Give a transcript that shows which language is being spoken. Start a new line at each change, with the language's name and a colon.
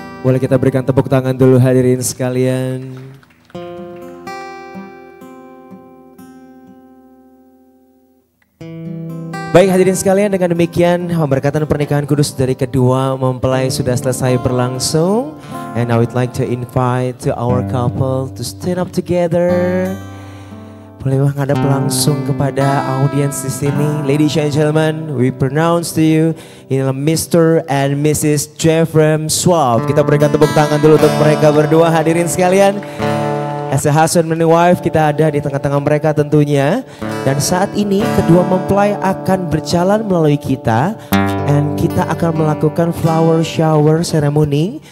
Indonesian: Kita berikan tepuk tangan dulu hadirin sekalian. Baik hadirin sekalian, dengan demikian pemberkatan pernikahan kudus dari kedua mempelai sudah selesai berlangsung.
English: And I would like to invite to our couple to stand up together.
Indonesian: Boleh menghadap langsung kepada audiens di sini.
English: Ladies and gentlemen, we pronounce to you inilah Mr. and Mrs. Jeffrem Swab.
Indonesian: Kita berikan tepuk tangan dulu untuk mereka berdua hadirin sekalian.
English: As a husband and wife,
Indonesian: kita ada di tengah-tengah mereka tentunya. Dan saat ini kedua mempelai akan berjalan melalui kita.
English: And
Indonesian: kita akan melakukan
English: flower shower ceremony.